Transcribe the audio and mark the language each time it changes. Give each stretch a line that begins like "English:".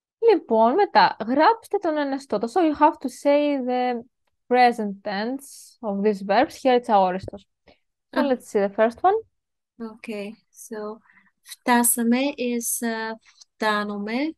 Greek: Λοιπόν, μετά, γράψτε τον εαυτό σας.
English: So you have to say the present tense of these verbs. Here it's αόριστος. So let's see the first one. Okay, so φτάσαμε is φτάνουμε.